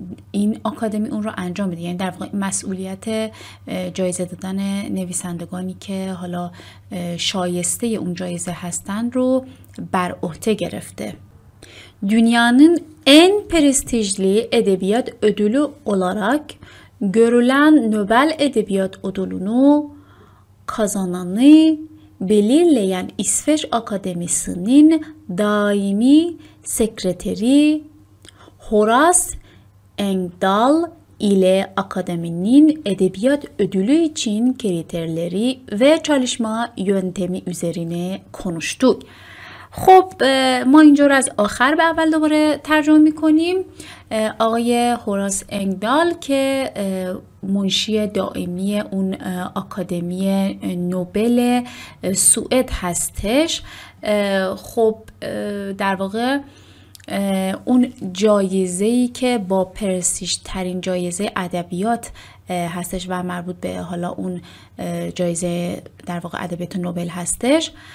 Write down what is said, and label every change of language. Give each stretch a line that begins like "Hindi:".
Persian: این آکادمی اون رو انجام میده، یعنی در واقع مسئولیت جایزه دادن نویسندگانی که حالا شایسته اون جایزه هستن رو بر عهده گرفته.
Turkish: Dünyanın en prestijli edebiyat ödülü olarak görülen Nobel Edebiyat Ödülünü kazananı belirleyen İsveç Akademisi'nin daimi sekreteri Horace Engdahl ile akademinin edebiyat ödülü için kriterleri ve çalışma yöntemi üzerine konuştu.
Persian: خب ما اینجا رو از آخر به اول دوباره ترجمه می‌کنیم. آقای هوراس انگدال که منشی دائمی اون آکادمی نوبل سوئد هستش، خب در واقع اون جایزه‌ای که با پرستیژ ترین جایزه ادبیات هستش و مربوط به حالا اون جایزه در واقع ادبیات نوبل هستش